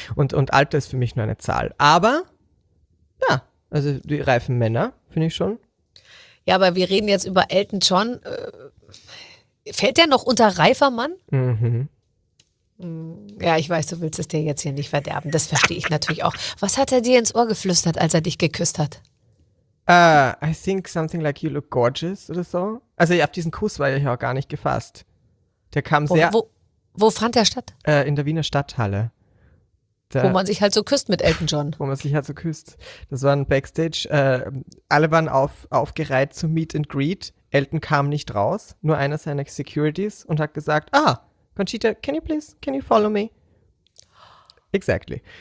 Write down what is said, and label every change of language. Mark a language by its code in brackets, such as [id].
[de] Und Alter ist für mich nur eine Zahl. Aber, ja, also die reifen Männer, finde ich schon. Ja, aber wir reden jetzt über Elton John. Fällt der noch unter reifer Mann? Mhm. Ja, ich weiß, du willst es dir jetzt hier nicht verderben. Das verstehe ich natürlich auch. Was hat er dir ins Ohr geflüstert, als er dich geküsst hat? [en] I think something like you look gorgeous [de] oder so. Also ja, auf diesen Kuss war ich auch gar nicht gefasst. Der kam sehr... Wo fand der statt? In der Wiener Stadthalle. Wo man sich halt so küsst mit Elton John. Wo man sich halt so küsst. Das war ein Backstage. Alle waren aufgereiht zum Meet and Greet. Elton kam nicht raus. Nur einer seiner Securities und hat gesagt, Conchita, [en] can you follow me? Exactly.